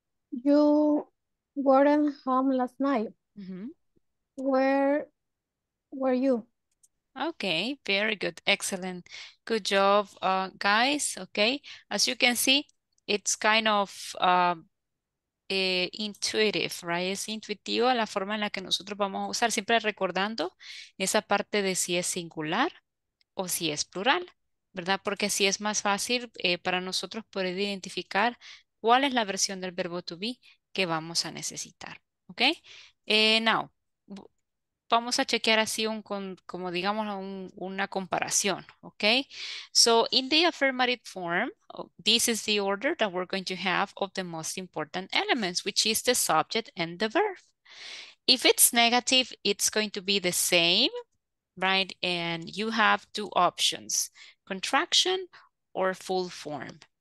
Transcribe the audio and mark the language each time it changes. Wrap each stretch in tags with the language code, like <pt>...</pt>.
<en>You weren't home last night. Mm-hmm. Where were you? Okay, very good. Excellent. Good job, guys. Okay, as you can see, it's kind of intuitive, right?</en> <es>Es intuitiva la forma en la que nosotros vamos a usar, siempre recordando esa parte de si es singular o si es plural, ¿verdad? Porque así es más fácil para nosotros poder identificar ¿cuál es la versión del verbo to be que vamos a necesitar? ¿Ok? Now, vamos a chequear así una comparación. ¿Ok?</es> <en>So, in the affirmative form, this is the order that we're going to have of the most important elements, which is the subject and the verb. If it's negative, it's going to be the same, right? And you have two options, contraction or full form.</en>